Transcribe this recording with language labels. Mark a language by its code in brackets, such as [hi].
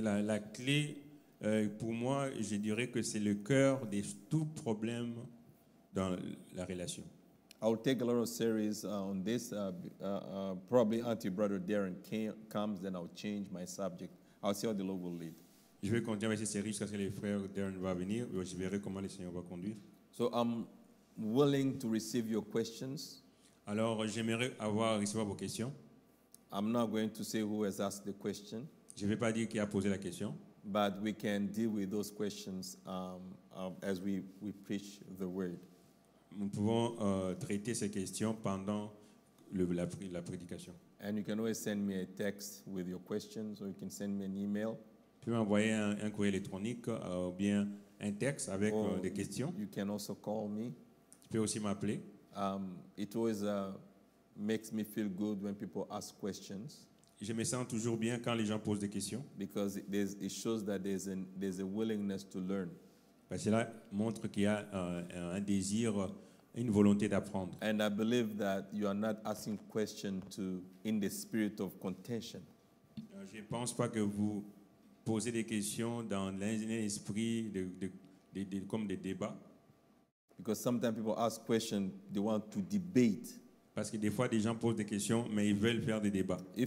[fr] C'est la clé pour moi, je dirais que c'est le cœur de tout problème dans la relation. [en] I'll take a little series on this. Probably until Brother Darren comes, then I'll change my subject. I'll see how the Lord will lead. [fr] Je vais continuer avec cette série jusqu'à ce que le frère Darren va venir. Je verrai comment le Seigneur va conduire. [en] So I'm willing to receive your questions. [fr] Alors j'aimerais avoir recevoir vos questions. [en] I'm not going to say who has asked the question. [fr] Je ne vais pas dire qui a posé la question. [en] But we can deal with those questions as we preach the word. [fr] Nous pouvons traiter ces questions pendant la prédication. [en] And you can always send me a text with your questions, or you can send me an email. [fr] Vous pouvez m'envoyer un courrier électronique, ou bien un texte avec des questions. [en] You can also call me. [fr] Tu peux aussi m'appeler. [en] It always makes me feel good when people ask questions. [fr] Je me sens toujours bien quand les gens posent des questions. [en] Because it shows that there's a willingness to learn. [fr] Parce que cela montre qu'il y a un désir, une volonté d'apprendre. [en] And I believe that you are not asking questions to in the spirit of contention. [fr] Je ne pense pas que vous posez des questions dans l'esprit de comme des débats. [en] Because sometimes people ask questions, they want to debate. [fr] Parce que des fois, des gens posent des questions, mais ils veulent faire des débats.